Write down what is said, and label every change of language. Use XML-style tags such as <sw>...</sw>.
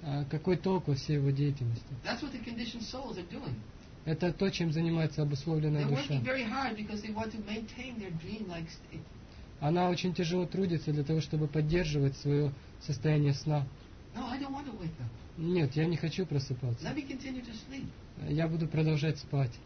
<ru>Какой толк во всей его деятельности?</ru> <en>That's what the conditioned souls are doing.</en> <ru>Это то, чем занимается обусловленная душа.</ru> <en>They're working very hard because they want to maintain their dream-like state.</en> <ru>Она очень тяжело трудится для того, чтобы поддерживать свое состояние сна.</ru> <en>No, I don't want to wake up.</en> <ru>Нет, я не хочу просыпаться.</ru> <en>Let me continue to sleep.</en> <ru>Я буду продолжать спать.</ru>